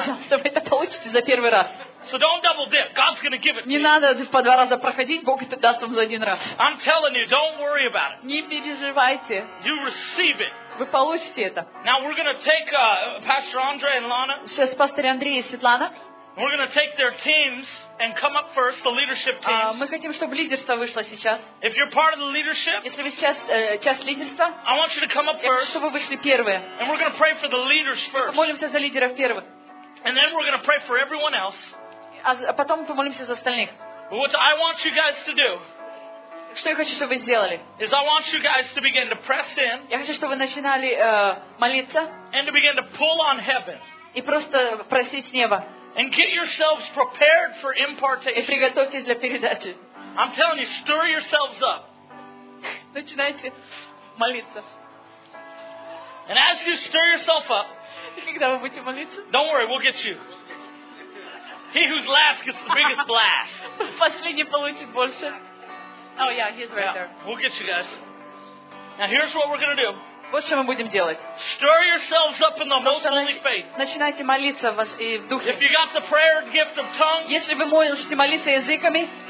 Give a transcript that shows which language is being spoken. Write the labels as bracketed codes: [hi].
[ru] Пожалуйста, вы это получите за первый раз. [en] So don't double dip. God's going to give it to you. [ru] Не надо по 2 раза проходить, Бог это даст вам за 1 раз. [en] I'm telling you, don't worry about it. [ru] Не переживайте. [en] You receive it. [ru] Вы получите это. [en] Now we're going to take Pastor Andre and Lana. [ru] Сейчас пастор Андрей и Светлана. [en] We're going to take their teams and come up first, the leadership teams. [ru] Мы хотим, чтобы лидерство вышло сейчас. [en] If you're part of the leadership, [ru] если вы сейчас часть лидерства, [en] I want you to come up first. [ru] Чтобы вы вышли первые. [en] And we're going to pray for the leaders first. [ru] Помолимся за лидеров первых. [en] And then we're going to pray for everyone else. [ru] А потом помолимся за остальных. [en] What I want you guys to do. [ru] Что я хочу, чтобы вы сделали? [en] Is I want you guys to begin to press in. [ru] Я хочу, чтобы вы начинали молиться. [en] And to begin to pull on heaven. [ru] И просто просить небо. [en] And get yourselves prepared for impartation. [ru] И приготовьтесь для передачи. [en] I'm telling you, stir yourselves up. [ru] Начинайте молиться. [en] And as you stir yourself up. [ru] И когда вы будете молиться? [en] Don't worry, we'll get you. He who's last gets the biggest blast. [ru] Последний получит больше. [en] Oh yeah, he's right yeah. there. We'll get you guys. Now here's what we're going to do. [ru] Вот что мы будем делать. [en] Stir yourselves up in the most holy faith. [ru] Начинайте молиться в духе. [en] If you got the prayer gift of tongues. [ru] Если вы можете молиться языками.